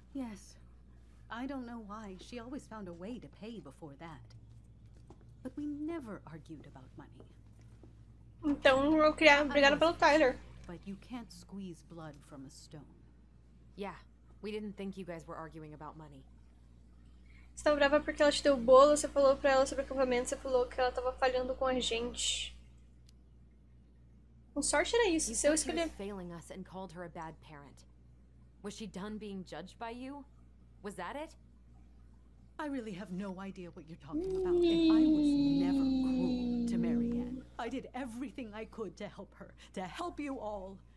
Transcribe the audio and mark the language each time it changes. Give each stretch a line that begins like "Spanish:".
English: Yes. I don't know why. She always found a way to pay before that. But we never argued about money.
Portuguese: Então, eu queria brigar pelo Tyler.
English: But you can't squeeze blood from a stone. Yeah, we didn't think you guys were arguing about money.
Portuguese: Você tava brava porque ela te deu o bolo, você falou pra ela sobre o acampamento, você falou que ela tava falhando com a gente. Com sorte era isso, se eu escolher...
English: You said she was failing us and called her a bad parent. Was she done being judged by you? Was that it? I really have no idea what you're talking about. And I was never cruel to Marianne. I did everything I could to help her, to help you all.